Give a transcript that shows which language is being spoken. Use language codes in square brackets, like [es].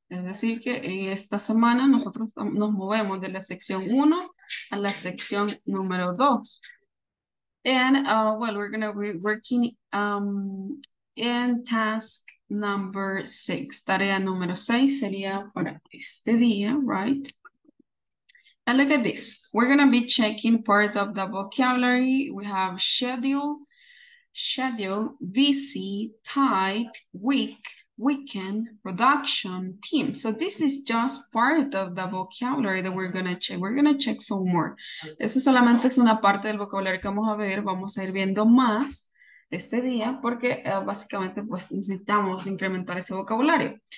[es] Es decir, que esta semana nosotros nos movemos de la sección 1 a la sección número 2. [en] And, well, we're going to be working in task number 6. [es] Tarea número 6 sería para este día, right? And look at this. [en] We're going to be checking part of the vocabulary. We have schedule, busy, tight, week, weekend, production, team. So this is just part of the vocabulary that we're going to check. We're going to check some more. [es] Esta solamente es una parte del vocabulario que vamos a ver. Vamos a ir viendo más este día porque básicamente pues necesitamos incrementar ese vocabulario.